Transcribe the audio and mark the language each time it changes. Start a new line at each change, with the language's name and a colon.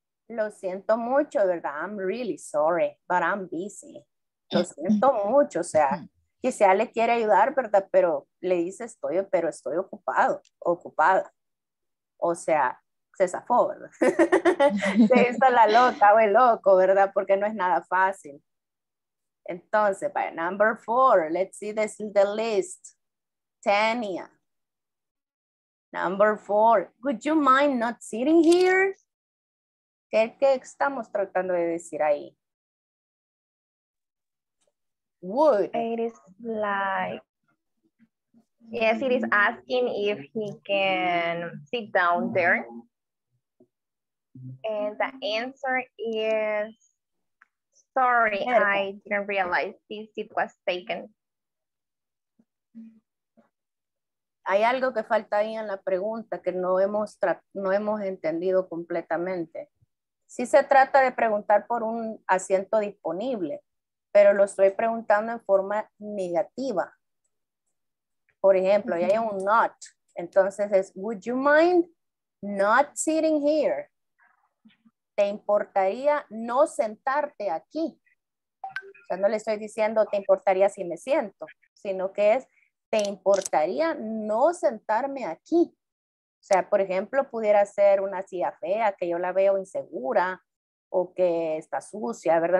Spanish: Lo siento mucho, ¿verdad?
English: I'm really sorry, but I'm busy.
Spanish: Lo siento mucho, o sea, quizá le quiere ayudar, ¿verdad? Pero le dice estoy, pero estoy ocupado, ocupada. O sea, se zafó, ¿verdad? Se hizo la loca o el loco, ¿verdad? Porque no es nada fácil.
English: Entonces, by number four, let's see this in the list. Tania. Number four, would you mind not sitting here?
Spanish: ¿Qué estamos tratando de decir ahí?
English: Would. It is like, yes, it is asking if he can sit down there. And the answer is, sorry, I didn't realize this seat was taken.
Spanish: Hay algo que falta ahí en la pregunta que no hemos entendido completamente. Sí se trata de preguntar por un asiento disponible, pero lo estoy preguntando en forma negativa. Por ejemplo, ahí hay un not.
English: Entonces es, would you mind not sitting here?
Spanish: ¿Te importaría no sentarte aquí? O sea, no le estoy diciendo, ¿te importaría si me siento? Sino que es, ¿te importaría no sentarme aquí? O sea, por ejemplo, pudiera ser una silla fea, que yo la veo insegura o que está sucia, ¿verdad?